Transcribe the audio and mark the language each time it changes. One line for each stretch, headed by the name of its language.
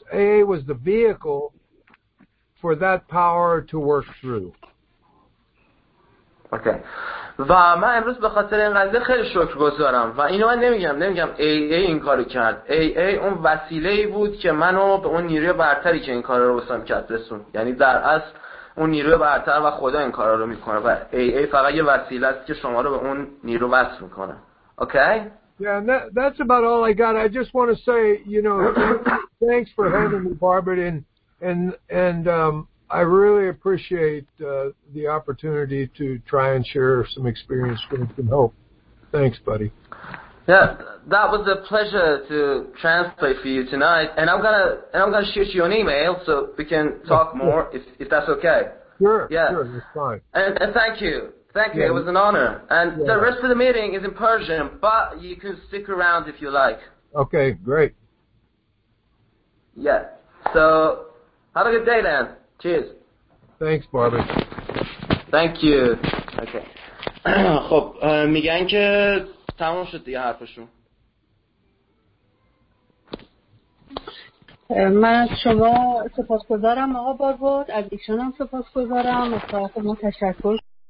English: AA was the vehicle for that power to work through. Okay.
Persian: و من امروز به خاطر این قضیه خیلی شکرگزارم و اینو من نمیگم AA این کارو کرد. AA اون وسیله‌ای بود که منو به اون نیروی برتری که این کارا رو واسم کرد رسون. یعنی در اصل اون نیروی برتر و خدا این کارا رو میکنه و AA فقط یه وسیله است که شما رو به اون نیرو وصل میکنه.
English: Okay? Yeah, that's about all I got. I just want to say, you know, thanks for having me, Barbara, and I really appreciate the opportunity to try and share some experience with some hope. Thanks, buddy. Yeah, that was a pleasure to translate for you tonight. And I'm gonna shoot you an email so we can talk more if that's okay. Sure. Yeah. Sure, that's fine. And thank you. Thank you. Yeah. It was an honor. And yeah. The rest of the meeting is in Persian, but you can stick around if you like. Okay, great. Yeah. So have a good day then. Cheers. Thanks, Barbie. Thank you. Okay.
Persian: خب میگن که تمام شد دیگه حرفشون. من از شما سپاسگزارم آقا باربود، از ایشان هم سپاسگزارم، از طرف ما تشکر.